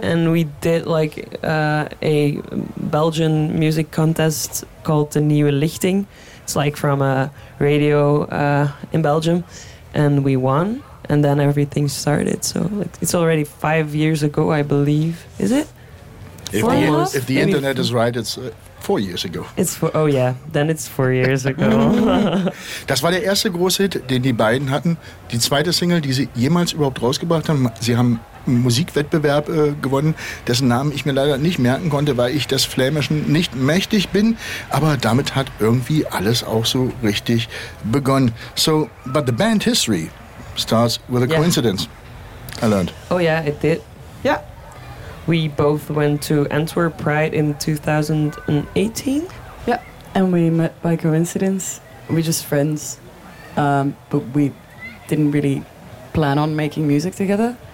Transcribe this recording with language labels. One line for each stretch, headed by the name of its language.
English: And we did a Belgian music contest called De Nieuwe Lichting. It's from a radio in Belgium. And we won. And then everything started. So it's already 5 years ago, I believe. Is it? If the internet is right, it's 4 years ago.
German: Dann ist es
English: 4 years ago.
German: Das war der erste große Hit, den die beiden hatten. Die zweite Single, die sie jemals überhaupt rausgebracht haben. Sie haben einen Musikwettbewerb gewonnen, dessen Namen ich mir leider nicht merken konnte, weil ich des Flämischen nicht mächtig bin. Aber damit hat irgendwie alles auch so richtig begonnen.
English: So, but the band history starts with a coincidence. I learned. Oh yeah, it did. Yeah. We both went to Antwerp Pride in 2018. Yeah, and we met by coincidence. We're just friends, but we didn't really plan on making music together.